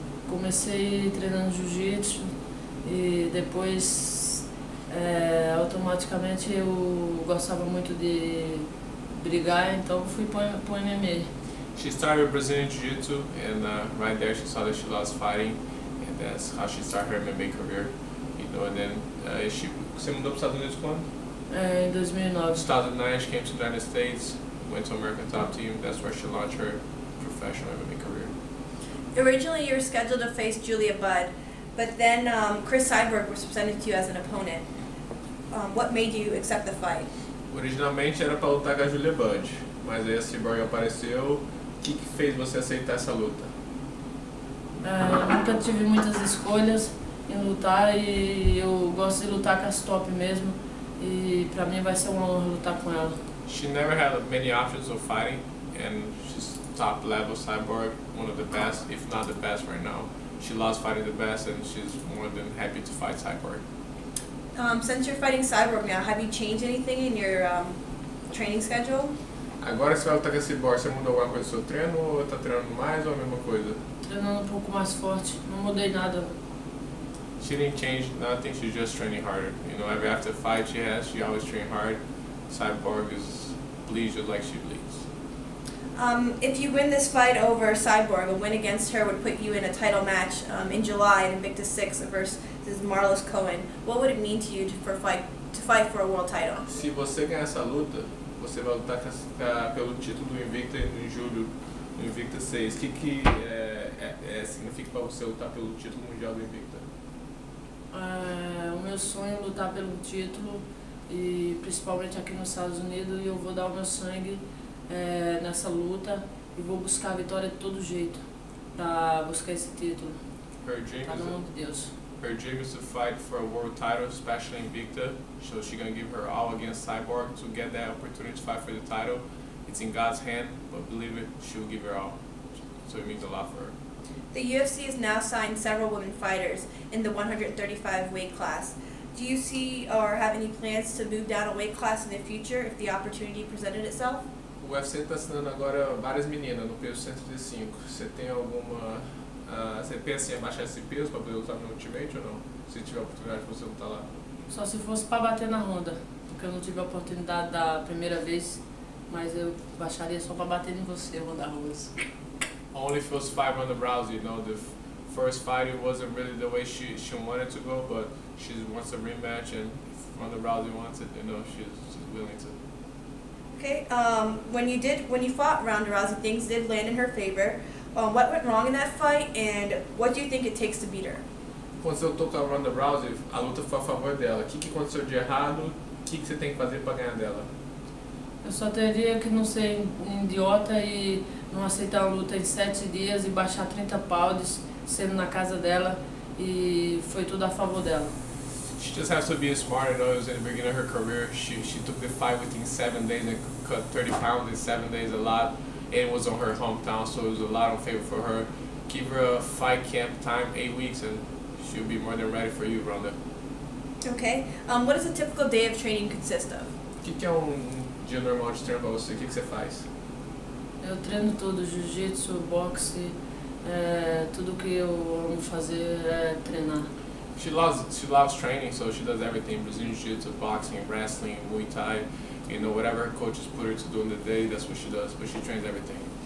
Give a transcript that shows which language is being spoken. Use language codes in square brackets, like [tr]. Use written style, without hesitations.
[pt] Comecei treinando jiu-jitsu e depois automaticamente eu gostava muito de brigar, então fui pro MMA. [en] She started Brazilian jiu-jitsu and right there she saw that she loves fighting and that's how she started her MMA career. You know, and then [pt] você mudou pros Estados Unidos quando? Em 2009. [en] 2009, she came to the United States, went to American Top Team, that's where she launched her professional MMA career. Originally, you were scheduled to face Julia Budd, but then Chris Cyborg was presented to you as an opponent. What made you accept the fight? [pt] Originalmente era para lutar com a Julia Budd, mas aí a Cyborg apareceu. O que fez você aceitar essa luta? Nunca tive muitas escolhas em lutar e eu gosto de lutar com as top mesmo. E para mim vai ser uma honra lutar com ela. [en] She never had many options of fighting, and she's top level Cyborg, one of the best, if not the best right now. She loves fighting the best, and she's more than happy to fight Cyborg. Since you're fighting Cyborg now, have you changed anything in your training schedule? [pt] Agora você vai lutar com a Cyborg, você mudou alguma coisa no seu treino, ou está treinando mais, ou a mesma coisa? Treinando um pouco mais forte, não mudei nada. [en] She didn't change nothing, she's just training harder. You know, every after fight she has, she always trains hard. Cyborg is bleeds just like she bleeds. If you win this fight over Cyborg, a win against her would put you in a title match in July in Invicta 6 versus Marlos Cohen. What would it mean to you to fight for a world title? [pt] Se você ganhar essa luta, você vai lutar pelo título do Invicta em julho, no Invicta 6. O que significa para você lutar pelo título mundial do Invicta? O meu sonho é lutar pelo título, e principalmente aqui nos Estados Unidos, e eu vou dar o meu sangue nessa luta e vou buscar a vitória de todo jeito para buscar esse título. [en] Her dream is to fight for a world title, especially Invicta, so she's gonna give her all against Cyborg to get that opportunity to fight for the title. It's in God's hand, but believe it, she'll give her all. So it means a lot for her. The UFC has now signed several women fighters in the 135 weight class. Do you see or have any plans to move down a weight class in the future if the opportunity presented itself? [pt] O UFC está assinando agora várias meninas no peso 135. Você tem alguma... você pensa em abaixar esse peso para poder lutar no Ultimate ou não? Se tiver a oportunidade de você lutar lá. Só se fosse para bater na Honda, porque eu não tive a oportunidade da primeira vez, mas eu baixaria só para bater em você, Honda Rose. [en] Only if it was 500 rounds, you know, the first fight it wasn't really the way she wanted to go, but she wants a rematch, and from the Rousey wants it, you know, she's willing to. Okay, when you fought Ronda Rousey, things did land in her favor. What went wrong in that fight, and what do you think it takes to beat her? [pt] Quando você lutou com a Ronda Rousey, a luta foi a favor dela. O que aconteceu de errado? O que você tem que fazer para ganhar dela? Eu só teria que não ser idiota e não aceitar a luta em 7 dias e baixar 30 pounds sendo na casa dela, e foi tudo a favor dela. [en] She just has to be smart, you know, in the beginning of her career, she took the fight within 7 days and cut 30 pounds in 7 days, a lot. And it was on her hometown, so it was a lot of favor for her. Give her a fight camp time, 8 weeks, and she'll be more than ready for you, Ronda. Okay. What does a typical day of training consist of? [pt] O que é um dia normal de treino para você? O que você faz? Eu treino tudo, jiu-jitsu, boxe, tudo que eu amo fazer é treinar. [en] She loves training, so she does everything, Brazilian Jiu-Jitsu, boxing, wrestling, Muay Thai, you know, whatever her coaches put her to do in the day, that's what she does, but she trains everything.